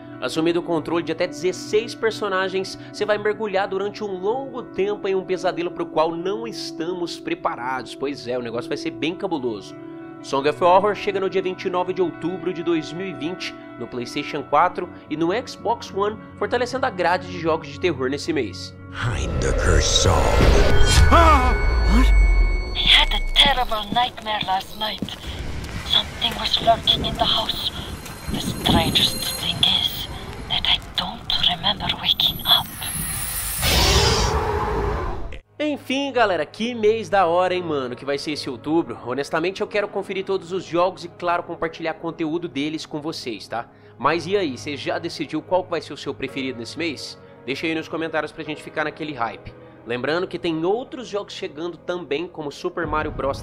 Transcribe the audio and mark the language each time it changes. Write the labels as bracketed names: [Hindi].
[Portuguese] Assumindo o controle de até 16 personagens, você vai mergulhar durante um longo tempo em um pesadelo para o qual não estamos preparados, pois é, o negócio vai ser bem cabuloso. Song of Horror chega no dia 29 de outubro de 2020, no PlayStation 4 e no Xbox One, fortalecendo a grade de jogos de terror nesse mês. [English] Heindecker Song. Ah! What? I had a terrible nightmare last night. Something was lurking in the house. The strangest thing is that I don't remember waking up. [Portuguese] Enfim, galera, que mês da hora, hein, mano, que vai ser esse outubro. Honestamente, eu quero conferir todos os jogos e, claro, compartilhar conteúdo deles com vocês, tá? Mas e aí, você já decidiu qual vai ser o seu preferido nesse mês? Deixa aí nos comentários pra gente ficar naquele hype. Lembrando que tem outros jogos chegando também, como Super Mario Bros.